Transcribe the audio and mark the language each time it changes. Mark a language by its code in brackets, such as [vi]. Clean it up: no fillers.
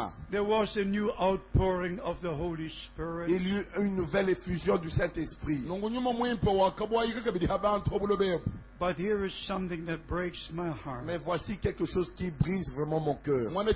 [en] there was a new outpouring of the Holy Spirit. [fr] Il y eut une nouvelle effusion du Saint-Esprit. [en] But here is something that breaks my heart. [fr] Mais voici quelque chose qui brise vraiment mon cœur.